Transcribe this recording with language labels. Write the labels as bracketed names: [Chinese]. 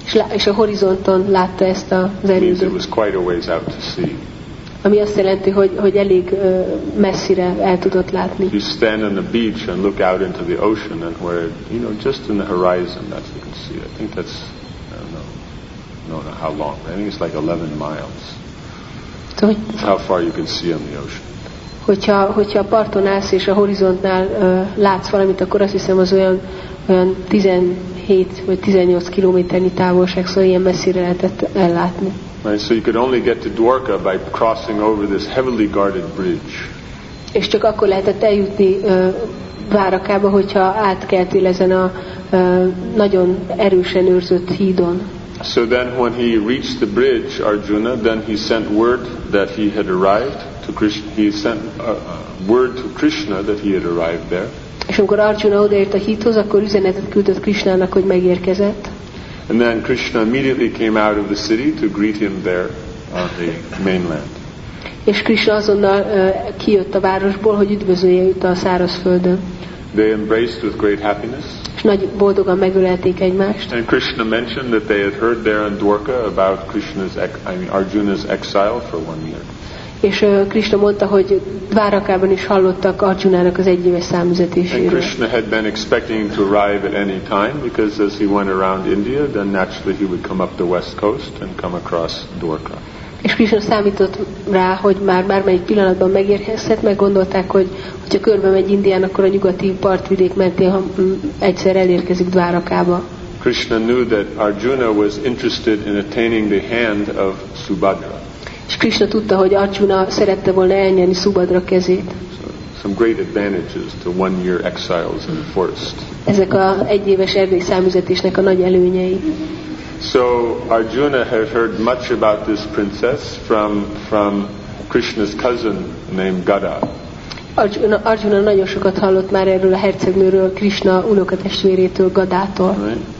[Hungarian] És a horizonton látta ezt az erődítményt. [English] Means it was quite a ways out to sea. [Hungarian] Ami azt jelenti, hogy elég messzire el tudott látni. [English] You stand on the beach and look out into the ocean and where, you know, just in the horizon, that's what you can see. I think that's, I don't know how long. I think it's like 11 miles. That's how far you can see on the ocean. [Hungarian] Hogyha a parton állsz és a horizontnál látsz valamit, akkor azt hiszem az olyan 17 vagy 18 kilométernyi távolság, szóval ilyen messzire lehetett ellátni. [English] Right, so you could only get to Dwarka by crossing over this heavily guarded bridge. [Hungarian] És csak akkor lehetett eljutni Dwarakába, hogyha átkeltél ezen a nagyon erősen őrzött hídon. [English] So then when he reached the bridge, Arjuna, then he sent word that he had arrived to Krishna. He sent word to Krishna that he had arrived there. [Hungarian] És amikor Arjuna odaért a hídhoz, akkor üzenetet küldött Krishnának, hogy megérkezett. [English] And then Krishna immediately came out of the city to greet him there on the mainland. [Hungarian] És Krishna azonnal kijött a városból, hogy üdvözölje őt a szárazföldön. [English] They embraced with great happiness. [Hungarian] És nagy boldogan megölelték egymást. [English] And Krishna mentioned that they had heard there in Dwarka about Arjuna's exile for 1 year. [Hungarian] És Krishna mondta, hogy Dwarakában is hallottak Arjunának az egyéves számüzetéséről. [English] And Krishna had been expecting to arrive at any time, because as he went around India, then naturally he would come up the west coast and come across Dwarka. [Hungarian] És Krishna számított rá, hogy már bármelyik pillanatban megérkezhet, meg gondolták, hogy ha körbe megy Indián, akkor a nyugati partvidék mentén egyszer elérkezik Dwarakába. [English] Krishna knew that Arjuna was interested in attaining the hand of Subhadra. [Hungarian] És Krishna tudta, hogy Arjuna szerette volna elnyerni Subhadra kezét. [English] Some great advantages to 1 year exiles in the forest. [Hungarian] Ezek a egyéves erdei számüzetésnek a nagy előnyei. [English] So Arjuna had heard much about this princess from Krishna's cousin named Gada. [Hungarian] Arjuna nagyon sokat hallott már erről a hercegnőről, Krishna unokatestvérétől, Gadától.